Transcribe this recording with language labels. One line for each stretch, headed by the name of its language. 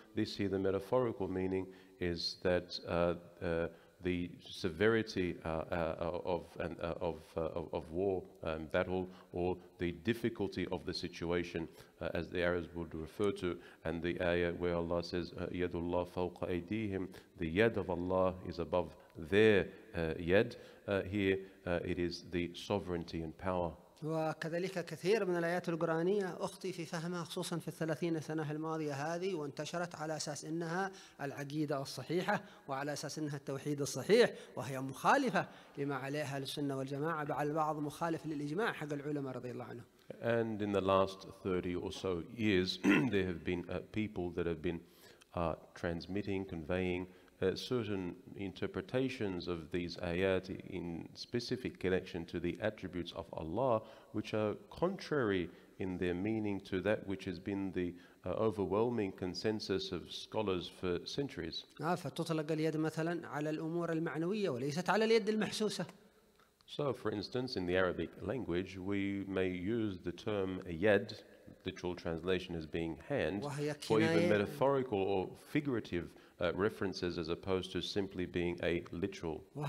English: This here, the metaphorical meaning is that the severity of war and battle, or the difficulty of the situation, as the Arabs would refer to, and the ayah where Allah says yadullah fawqa aydihim, the yad of Allah is above their yad, here it is the sovereignty and power.
Arabic: وكذلك كثير من الآيات القرآنية أخطي في فهمها خصوصا في الثلاثين سنة الماضية هذه وانتشرت على أساس أنها العقيدة الصحيحة وعلى أساس أنها التوحيد الصحيح وهي مخالفة لما عليها للسنة والجماعة بعد البعض مخالف للإجماع حق العلماء رضي الله عنه.
English: And in the last 30 or so years there have been people that have been transmitting, conveying certain interpretations of these ayat in specific connection to the attributes of Allah, which are contrary in their meaning to that which has been the overwhelming consensus of scholars for centuries.
Arabic: فتطلق اليد مثلا على الأمور المعنوية وليست على اليد المحسوسة.
English: So, for instance, in the Arabic language, we may use the term yad, literal translation as being hand, or even metaphorical or figurative references as opposed to simply being a literal.